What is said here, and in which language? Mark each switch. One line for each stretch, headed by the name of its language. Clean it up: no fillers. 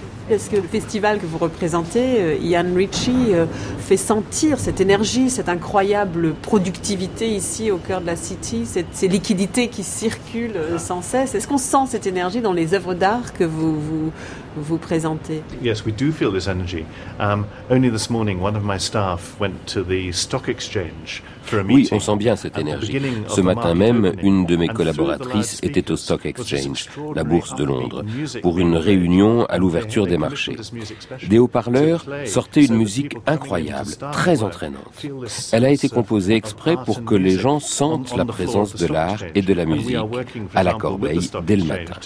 French: Est-ce que le festival que vous représentez, Ian Ritchie, fait sentir cette énergie, cette incroyable productivité ici au cœur de la City, ces liquidités qui circulent sans cesse? Est-ce qu'on sent cette énergie dans les œuvres d'art que vous présentez?
English: Yes, we do feel this energy. Only this morning, one of my staff went to the stock exchange for a meeting.
French: Oui, on sent bien cette énergie. Ce matin même, une de mes collaboratrices était au stock exchange, la bourse de Londres, pour une réunion à l'ouverture des marchés. Des haut-parleurs sortaient une musique incroyable, très entraînante. Elle a été composée exprès pour que les gens sentent la présence de l'art et de la musique à la corbeille dès le matin.